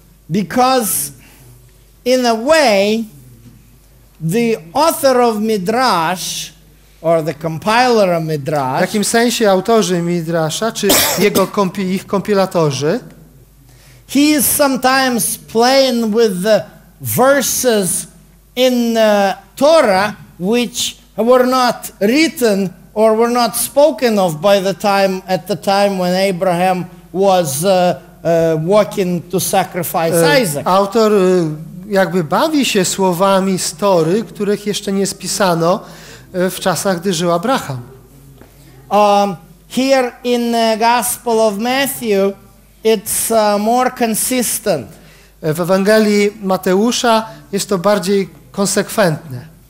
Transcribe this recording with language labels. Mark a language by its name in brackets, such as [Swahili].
[English] Because in a way the author of Midrash or the compiler of Midrash. [Polish] W jakim sensie autorzy Midrasha czy jego ich kompilatorzy? [English] He is sometimes playing with the verses in the Torah which were not written or were not spoken of by the time at the time when Abraham was walking to sacrifice Isaac. [Polish] Autor jakby bawi się słowami z Tory, których jeszcze nie spisano w czasach, gdy żył Abraham. [English] Here in the Gospel of Matthew it's more consistent. [Polish] W Ewangelii Mateusza jest to bardziej konsekwentne.